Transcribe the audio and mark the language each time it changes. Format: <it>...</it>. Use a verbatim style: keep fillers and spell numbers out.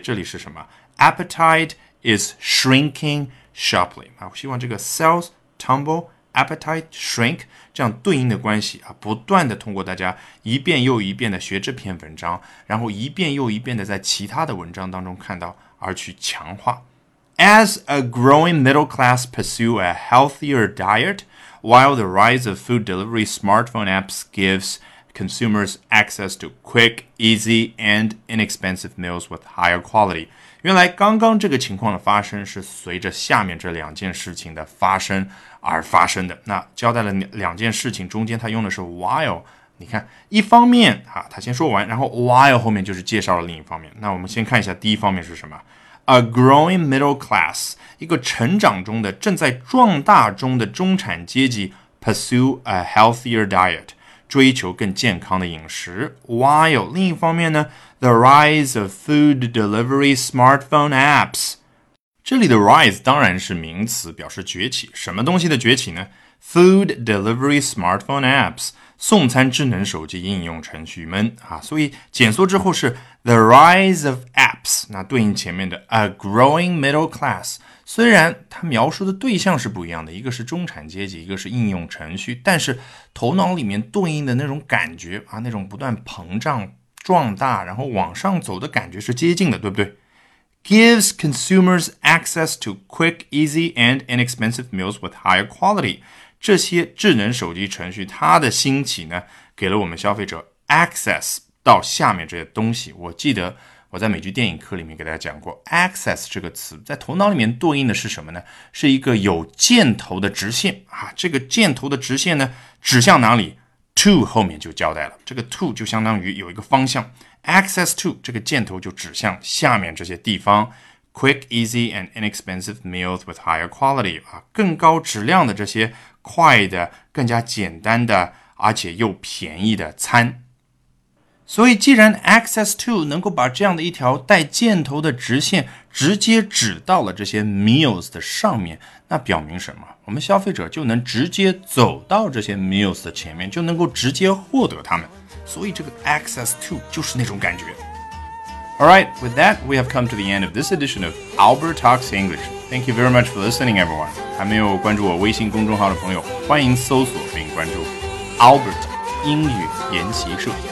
<zh>这里是什么？</zh> <en>appetite is shrinking sharply。</en> <zh>我希望这个 sales tumble, appetite, shrink 这样对应的关系啊，不断的通过大家一遍又一遍的学这篇文章，然后一遍又一遍的在其他的文章当中看到而去强化。</zh> <en>As a growing middle class pursue a healthier diet, while the rise of food delivery smartphone apps gives consumers access to quick, easy, and inexpensive meals with higher quality。</en> <zh>原来刚刚这个情况的发生是随着下面这两件事情的发生而发生的。那交代了两件事情，中间他用的是 while， 你看一方面啊，他先说完，然后 while 后面就是介绍了另一方面。那我们先看一下第一方面是什么。</zh> <en>A growing middle class，</en> <zh>一个成长中的正在壮大中的中产阶级</zh> <en>pursue a healthier diet，</en> <zh>追求更健康的饮食。 while 另一方面呢，</zh> <en>The rise of food delivery smartphone apps。</en> <zh>这里的 rise 当然是名词，表示崛起。什么东西的崛起呢？</zh> <en>Food delivery smartphone apps，</en> <zh>送餐智能手机应用程序们啊，所以简缩之后是</zh> <en>the rise of apps，</en> <zh>那对应前面的 a growing middle class。虽然它描述的对象是不一样的，一个是中产阶级，一个是应用程序，但是头脑里面对应的那种感觉啊，那种不断膨胀壮大然后往上走的感觉是接近的，对不对？</zh> <en>Gives consumers access to quick, easy and inexpensive meals with higher quality。</en> <zh>这些智能手机程序它的兴起呢，给了我们消费者 access 到下面这些东西。我记得我在美剧电影课里面给大家讲过 access 这个词在头脑里面对应的是什么呢？是一个有箭头的直线啊，这个箭头的直线呢指向哪里？ to 后面就交代了，这个 to 就相当于有一个方向， access to 这个箭头就指向下面这些地方，</zh> <en>quick, easy and inexpensive meals with higher quality，</en> <zh>啊，更高质量的这些快的、更加简单的，而且又便宜的餐。所以既然 access to 能够把这样的一条带箭头的直线直接指到了这些 meals 的上面，那表明什么？我们消费者就能直接走到这些 meals 的前面，就能够直接获得它们。所以这个 access to 就是那种感觉。</zh> <en>Alright, with that, we have come to the end of this edition of Albert Talks English. Thank you very much for listening, everyone.</en> <zh>还没有关注我微信公众号的朋友，欢迎搜索并关注 Albert 英语研习社。</zh>